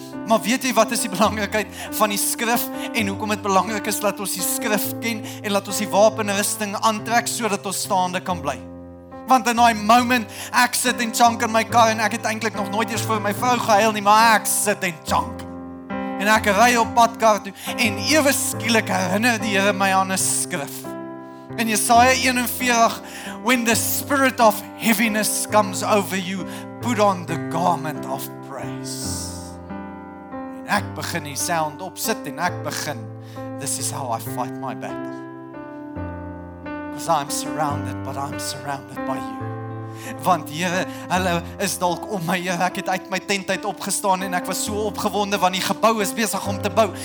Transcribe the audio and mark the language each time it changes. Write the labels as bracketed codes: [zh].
[af] Maar weet jy wat is die belangrikheid van die skrif en hoekom dit belangrik is dat ons die skrif ken en dat ons die wapenrusting aantrek sodat ons staande kan bly? Want in daai moment ek sit en chunk in my kar en ek het eintlik nog nooit eens vir my vrou gehuil nie, maar ek sit en chunk. En ek ry op pad kar toe en ewe skielik herinner die Here my aan 'n skrif. [en] In Jesaja 41, when the spirit of heaviness comes over you, put on the garment of praise. [af] Ek begin die sound opsit en ek begin. [en] This is how I fight my battle. Because I'm surrounded, but I'm surrounded by you. [af] Want Here, hulle is dalk om my. Here, ek het uit my tent uit opgestaan en ek was so opgewonde want die gebou is besig om te bou.